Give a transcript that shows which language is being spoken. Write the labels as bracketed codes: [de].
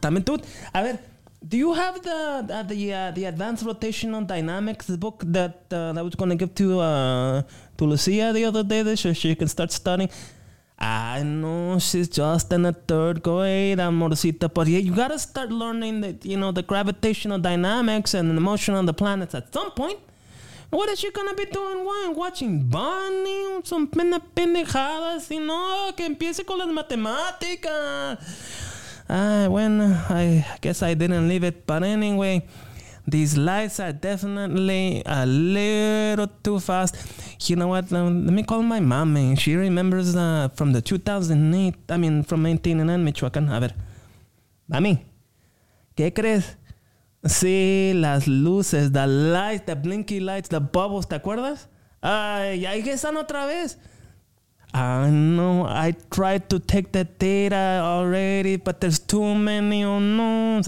[en] I mean, dude, [es] a ver, [en] do you have the advanced rotational dynamics book that I was going to give to Lucia the other day so she can start studying? I know she's just in the third grade, amorcito, but yeah, you got to start learning the gravitational dynamics and the motion of the planets at some point. What is she gonna be doing? Why? Watching Bunny? Some pendejadas? You know, [es] que empiece con las matemáticas. [en] I guess I didn't leave it. But anyway, these lights are definitely a little too fast. You know what? Let me call my mommy. She remembers from the 2008, from 1989, Michoacán. [es] A ver. Mami, ¿qué crees? Sí, las luces, [en] the lights, the blinky lights, the bubbles, [es] ¿te acuerdas? Ay, ahí están otra vez. [en] No, I tried to take the data already, but there's too many unknowns.